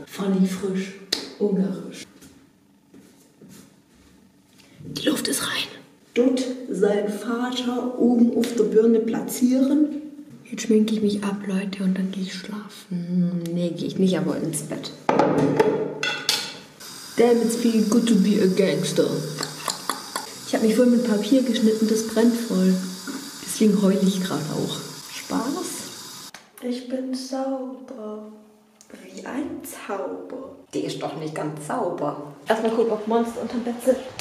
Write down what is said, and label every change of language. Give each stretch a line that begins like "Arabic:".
German: Funny, frisch, ungarisch. Die Luft ist rein. Dort sein Vater oben auf der Birne platzieren. Jetzt schminke ich mich ab, Leute, und dann gehe ich schlafen. Nee, gehe ich nicht, aber ins Bett.
English: Damn, it's feeling good to be a gangster.
German: Ich habe mich voll mit Papier geschnitten, das brennt voll. Deswegen heule ich gerade auch. Spaß? Ich bin sauber. Wie ein Zauber. Die ist doch nicht ganz sauber. Erstmal gucken, ob Monster unterm Bett sind.